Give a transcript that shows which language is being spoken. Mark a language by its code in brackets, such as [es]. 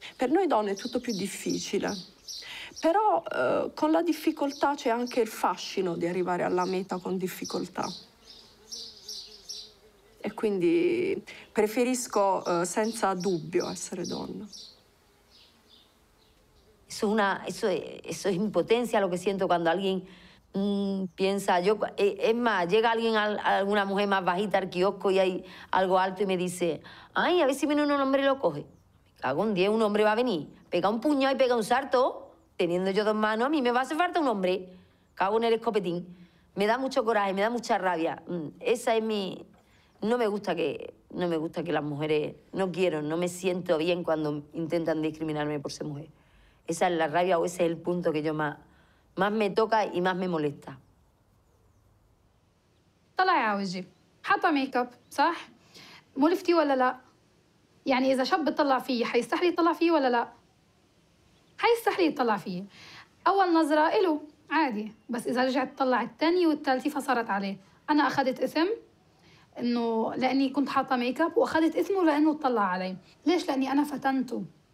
[it] Per noi donne è tutto più difficile. Però con la difficoltà c'è anche il fascino di arrivare alla meta con difficoltà. E quindi preferisco senza dubbio essere donna. [es] Eso es una, eso es impotencia lo que siento cuando alguien piensa, yo, es más, llega alguien a alguna mujer más bajita al kiosco y hay algo alto y me dice, ay, a ver si viene un hombre y lo coge. Me cago en 10, un hombre va a venir, pega un puñado y pega un sarto, teniendo yo dos manos, a mí me va a hacer falta un hombre, cago en el escopetín. Me da mucho coraje, me da mucha rabia. Esa es mi, no me gusta que las mujeres, no quiero, no me siento bien cuando intentan discriminarme por ser mujer. Esa es la rabia o ese es el punto que yo más me toca y más me molesta. [ar] طلع يا عوجي حاطه ميك اب صح ملفتي ولا لا يعني اذا شاب بيطلع فيي حيستحي يطلع فيي ولا لا حيستحي يطلع فيي اول نظره له عادي بس اذا رجعت طلع الثانيه والثالثه فصارت عليه انا اخذت اسم انه لاني كنت حاطه ميك اب واخذت اسمه لانه طلع علي ليش لاني انا فتنته